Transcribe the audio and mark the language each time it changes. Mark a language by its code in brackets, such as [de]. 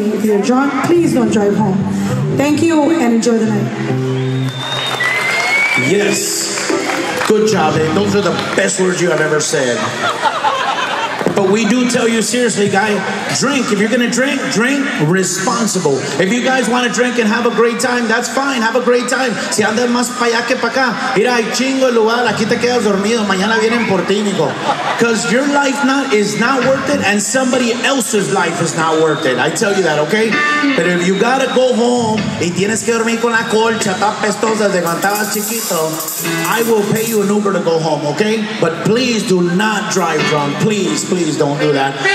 [en] If you're drunk, please don't drive home. Thank you and enjoy the night. Yes, good job, babe. Those are the best words you have ever said. But we do tell you seriously, guy, drink. If you're gonna drink, drink responsible. If you guys wanna drink and have a great time, that's fine. Have a great time. [es] Si andas más pa' allá que pa' acá, mira, hay chingo lugar, aquí te quedas dormido, mañana vienen por ti, hijo. [en] Because your life is not worth it, and somebody else's life is not worth it. I tell you that, okay? But if you gotta go home [es] y tienes que dormir con la colcha, tan pestosa de cuando estabas chiquito, [en] I will pay you an Uber to go home, okay? But please do not drive drunk, please. Please don't do that.